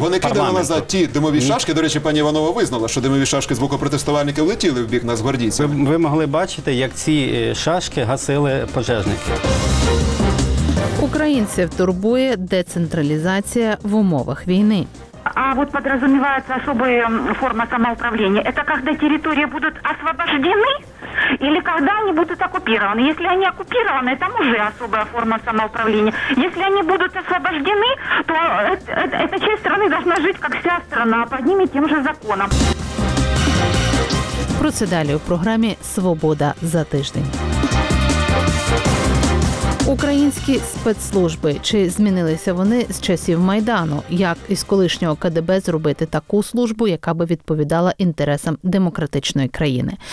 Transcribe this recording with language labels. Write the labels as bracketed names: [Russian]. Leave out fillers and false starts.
[Ukrainian] парламенту. Вони кидали назад ті димові шашки. До речі, пані Іванова визнала, що димові шашки з боку протестувальників летіли в бік нацгвардійців. Ви могли бачити, як ці шашки гасили пожежники. Українців турбує децентралізація в умовах війни. [Russian] А вот подразумевается особая форма самоуправления. Это когда территории будут освобождены или когда они будут оккупированы. Если они оккупированы, там уже особая форма самоуправления. Если они будут освобождены, то эта часть страны должна жить, как вся страна, под ними тем же законом. [Ukrainian] Про це далі у програмі «Свобода за тиждень». Українські спецслужби. Чи змінилися вони з часів Майдану? Як із колишнього КДБ зробити таку службу, яка би відповідала інтересам демократичної країни?